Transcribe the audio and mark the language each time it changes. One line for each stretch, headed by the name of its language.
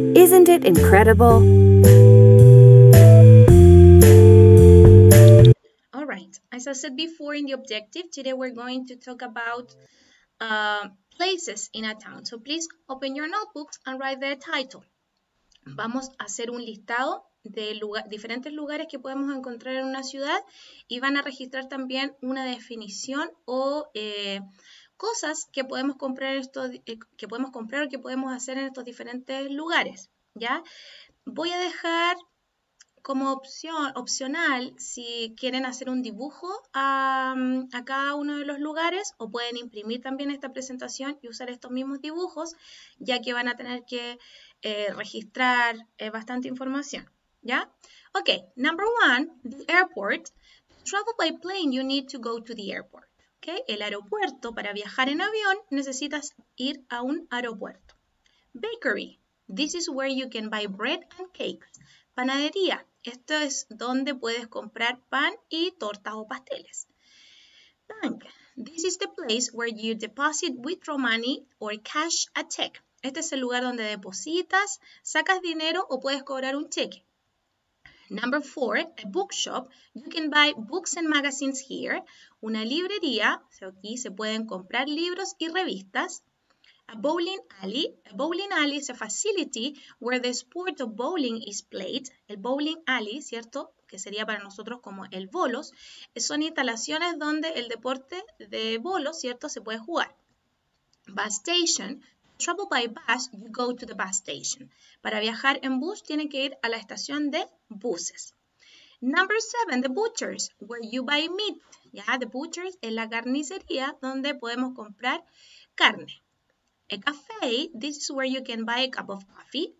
English: Isn't it incredible? All right, as I said before in the objective, today we're going to talk about places in a town. So please open your notebooks and write the title.
Spanish: Vamos a hacer un listado de diferentes lugares que podemos encontrar en una ciudad y van a registrar también una definición o cosas que podemos comprar o que podemos hacer en estos diferentes lugares, ¿ya? Voy a dejar como opcional si quieren hacer un dibujo a cada uno de los lugares o pueden imprimir también esta presentación y usar estos mismos dibujos, ya que van a tener que registrar bastante información.
English: Yeah? Okay, number one, the airport. To travel by plane, you need to go to the airport.
Spanish: Okay, el aeropuerto. Para viajar en avión, necesitas ir a un aeropuerto.
English: Bakery. This is where you can buy bread and cakes.
Spanish: Panadería. Esto es donde puedes comprar pan y tortas o pasteles.
English: Bank. This is the place where you deposit, withdraw money or cash a check.
Spanish: Este es el lugar donde depositas, sacas dinero o puedes cobrar un cheque.
English: Number four, a bookshop. You can buy books and magazines here.
Spanish: Una librería, o sea, aquí se pueden comprar libros y revistas.
English: A bowling alley. A bowling alley is a facility where the sport of bowling is played.
Spanish: El bowling alley, ¿cierto? Que sería para nosotros como el bolos. Son instalaciones donde el deporte de bolos, ¿cierto? Se puede jugar.
English: Bus station. Travel by bus, you go to the bus station.
Spanish: Para viajar en bus, tienen que ir a la estación de buses.
English: Number seven, the butchers, where you buy meat. Yeah, the butchers
Spanish: es la carnicería donde podemos comprar carne.
English: A cafe, this is where you can buy a cup of coffee.